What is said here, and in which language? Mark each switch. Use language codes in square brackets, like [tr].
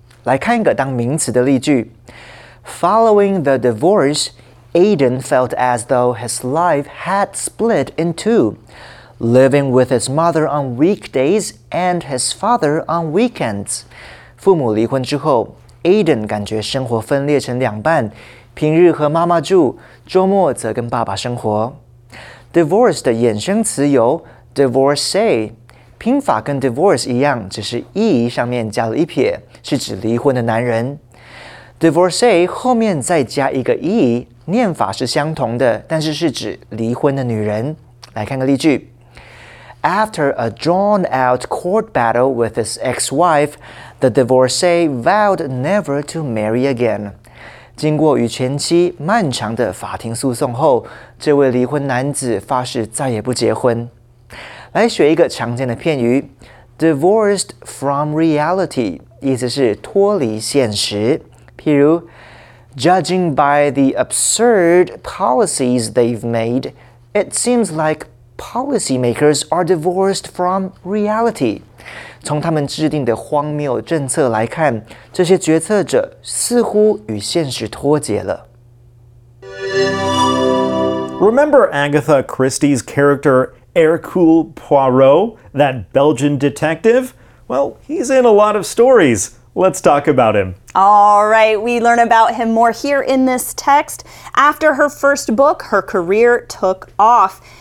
[zh] 来看一个当名词的例句。 [en] Following the divorce, Aiden felt as though his life had split in two, living with his mother on weekdays and his father on weekends. [zh] 父母离婚之后， Aiden 感觉生活分裂成两半，平日和妈妈住，周末则跟爸爸生活。 Divorce 的衍生词有 divorcee， 拼法跟 divorce 一样，只是 e 上面加了一撇，是指离婚的男人。 Divorcee 后面再加一个 e， 念法是相同的，但是是指离婚的女人。来看个例句。 [en] After a drawn-out court battle with his ex-wife, the divorcee vowed never to marry again. [zh] 经过与前妻漫长的法庭诉讼后，这位离婚男子发誓再也不结婚。来学一个常见的片语 ， [en] divorced from reality， [zh] 意思是脱离现实。 [en] 譬如 ，judging by the absurd policies they've made， it seems like policymakers are divorced from reality。 [zh] 从他们制定的荒谬政策来看，这些决策者似乎与现实脱节了。 [en] Remember Agatha Christie's character Hercule Poirot, that Belgian detective? Well, he's in a lot of stories. Let's talk about him. All right, we learn about him more here in this text. After her first book, her career took off.